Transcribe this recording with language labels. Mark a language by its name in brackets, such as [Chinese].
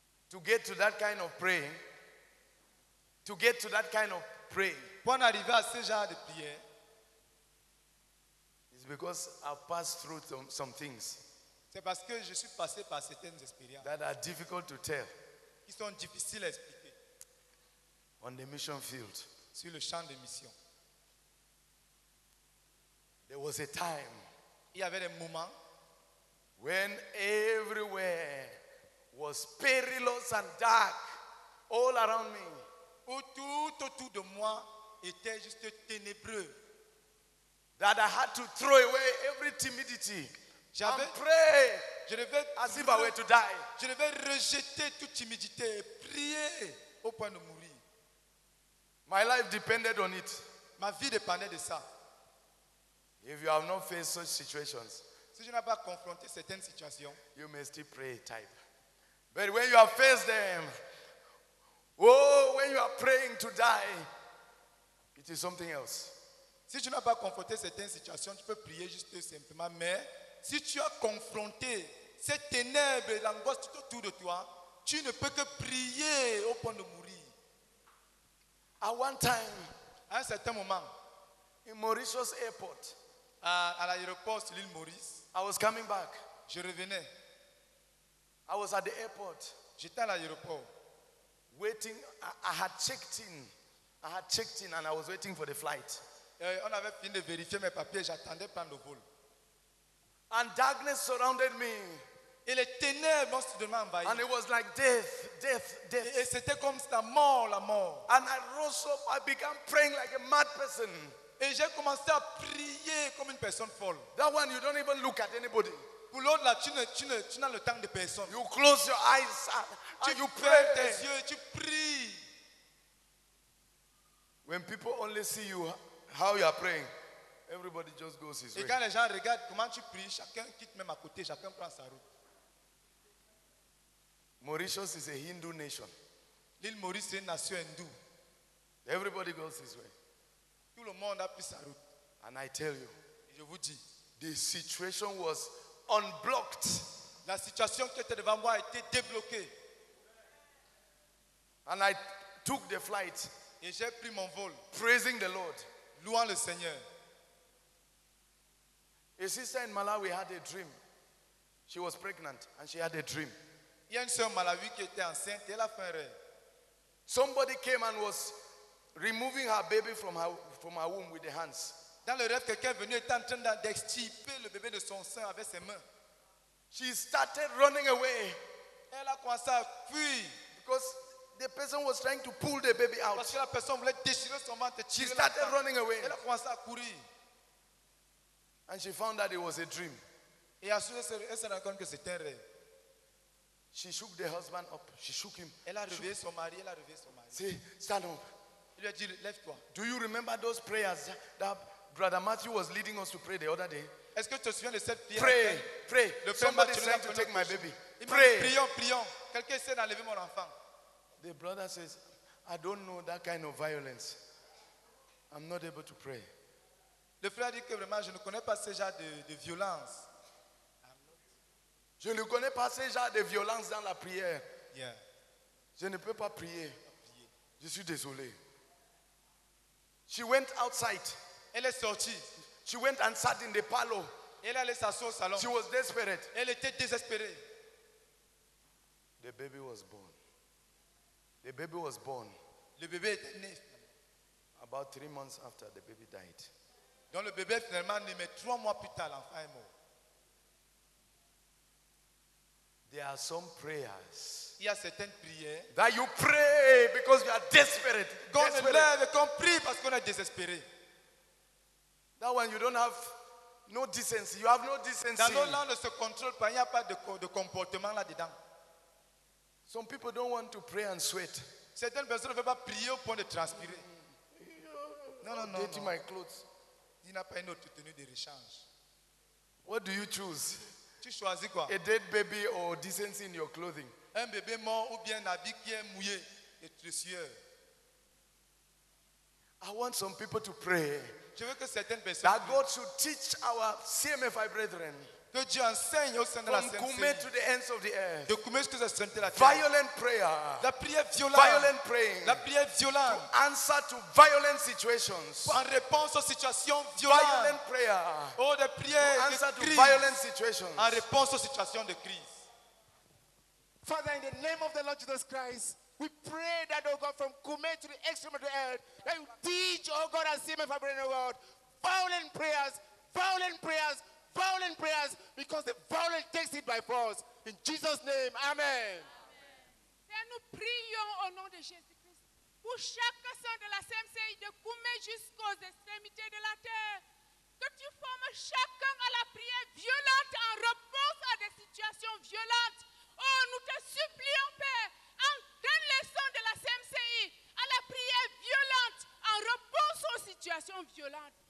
[English] To get to that kind of praying, to get to that kind of praying, [French] pour en arriver à ce genre de prière, [English] it's because I've passed through some things, [French] c'est parce que je suis passé par certaines expériences, [English] that are difficult to tell, [French] qui sont difficiles à expliquer, [English] on the mission field, [French] sur le champ de mission. [English] There was a time, [French] il y avait des moments, [English] when everywhere was perilous and dark all around me, [French] où tout autour de moi était juste ténébreux. [English] That I had to throw away every timidity. [French] J'avais prié. Je devais, [English] as if I were to die. [French] Je devais rejeter toute timidité et prier au point de mourir. [English] My life depended on it. [French] Ma vie dépendait de ça. [English] If you have not faced such situations, [French] si je n'ai pas confronté certaines situations, [English] you may still pray type. But when you have faced them, oh, when you are praying to die, it is something else. [French] Si tu n'as pas confronté certaines situations, tu peux prier juste simplement. Mais si tu as confronté ces ténèbres et l'angoisse tout autour de toi, tu ne peux que prier au point de mourir. [English] At one time, [French] à un certain moment, [English] in Mauritius Airport, [French] à l'aéroport sur l'île Maurice, [English] I was coming back. [French] Je revenais. [English] I was at the airport. [French] J'étais à l'aéroport. [English] Waiting, I had checked in and I was waiting for the flight. [French] On avait fini de vérifier mes papiers, j'attendais prendre le vol. [English] And darkness surrounded me. [French] Et les ténèbres m'ont soudainement envahi. [English] And it was like death. [French] Et c'était comme la mort. [English] And I rose up, I began praying like a mad person. [French] Et j'ai commencé à prier comme une personne folle. [English] That one, you don't even look at anybody. [French] Pour l'autre là, tu n'as le temps de personne. [English] You close your eyes and you pray. [French] Tu fermes tes yeux et tu pries. [English] When people only see you how you are praying, everybody just goes his way. [French] Et quand les gens regardent comment tu pries, chacun quitte même à côté, chacun prend sa route. [English] Mauritius is a Hindu nation. [French] L'île Maurice est une nation hindoue. [English] Everybody goes his way. [French] Tout le monde a pris sa route. [English] And I tell you, [French] je vous dis, [English] the situation was unblocked. [French] La situation qui était devant moi a été débloquée. [English] And I took the flight. [French] Et j'ai pris mon vol. [English] Praising the Lord. [French] Louant le Seigneur. [English] A sister in Malawi had a dream. She was pregnant and she had a dream. [French] Il y a une sœur Malawi qui était enceinte, elle a fait un rêve. [English] Somebody came and was removing her baby from her womb with the hands. [French] Dans le rêve, quelqu'un est venu était en train d'extirper le bébé de son sein avec ses mains. [English] She started running away. [French] Elle a commencé à fuir. [English] Because the person was trying to pull the baby out. [French] Parce que la personne voulait déchirer son ventre. [English] She started running away. [French] Elle a commencé à courir. [English] And she found that it was a dream. [French] Et à ce elle s'est rendue compte que c'était un rêve. [English] She shook the husband up. She shook him. [French] Elle a réveillé son mari. Elle a réveillé son mari. [English] Say, stand up. [French] Il lui a dit, lève-toi. [English] Do you remember those prayers that Brother Mathew was leading us to pray the other day? [French] Est-ce que tu te souviens de cette prière? [English] Pray. Le somebody is trying to take my baby. Pray. [French] Prions. Quelqu'un essaie d'enlever mon enfant. [English] The brother says, I don't know that kind of violence. I'm not able to pray. [French] Le frère dit que vraiment, je ne connais pas ce genre de violence. Je ne connais pas ce genre de violence dans la prière. [English] Yeah. [French] Je ne peux pas prier. Je suis désolé. [English] She went outside. [French] Elle est sortie. [English] She went and sat in the parlor. [French] Elle allait s'asseoir au salon. [English] She was desperate. [French] Elle était désespérée. [English] The baby was born. The baby was born. [French] Le bébé était né. [English] About 3 months after the baby died. [French] Donc le bébé finalement né, mais 3 mois plus tard, l'enfant est mort. [English] There are some prayers. [French] Il y a certaines prières. [English] That you pray because you are desperate. [French] God lève qu'on prie parce qu'on est désespéré. [English] That one you don't have no decency. You have no decency. [French] Dans nos langues, ce contrôle, il n'y a pas de comportement là-dedans. [English] Some people don't want to pray and sweat. [French] Certaines personnes ne veulent pas prier au point de transpirer. Non. [English] Dating my clothes. [French] Il n'a pas une autre tenue de rechange. [English] What do you choose? [French] Tu choisis quoi? [English] A dead baby or decency in your clothing? [French] Un bébé mort ou bien un habit qui est mouillé et trésieux. [English] I want some people to pray. [French] Je veux que certaines personnes [English] that [French] prient. [English] God should teach our CMFI brethren. [French] Que Dieu enseigne au sein de la CMFI. [English] From Kume to the ends of the earth. [French] De Kume jusqu'aux extrémités de la terre. [English] Violent prayer. [French] La prière violente. [English] Violent praying. [French] La prière violente. [English] To answer to violent situations. [French] En réponse aux situations violentes. [English] Violent prayer. [French] Oh, de prière [English] to answer to violent situations. [French] En réponse aux situations de crise. [English] Father, in the name of the Lord Jesus Christ, we pray that, oh God, from Kume to the extreme of the earth, that you teach, oh God, and see my family in the world, violent prayers, because the violent takes it by force. In Jesus' name, amen. Amen. [French] Nous prions au nom de Jésus-Christ pour chaque saint de la CMCI de Kume jusqu'aux extrémités de la terre, que tu formes chacun à la prière violente en réponse à des situations violentes. Oh, nous te supplions, Père, en donne le sang de la CMCI à la prière violente, en réponse aux situations violentes.